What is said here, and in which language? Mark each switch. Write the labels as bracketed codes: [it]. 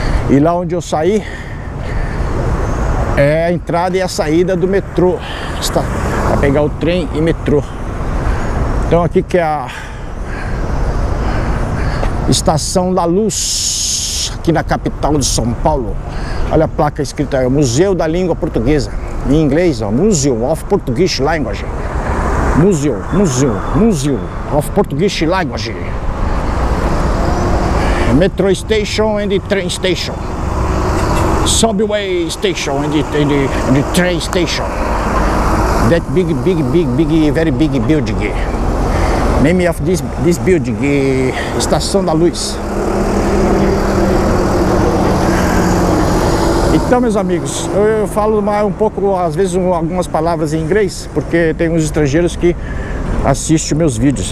[pt] E lá onde eu saí é a entrada e a saída do metrô, para pegar o trem e metrô. Então aqui que é a Estação da Luz, aqui na capital de São Paulo. Olha a placa escrita aí, Museu da Língua Portuguesa. Em inglês, ó, [en] Museum of Portuguese Language. Museum of Portuguese Language. Metro Station and Train Station. Subway Station and Train Station. That big, very big building. Name of this building, Estação da Luz. [pt] Então, meus amigos, eu falo mais um pouco, às vezes, algumas palavras em inglês, porque tem uns estrangeiros que assistem meus vídeos.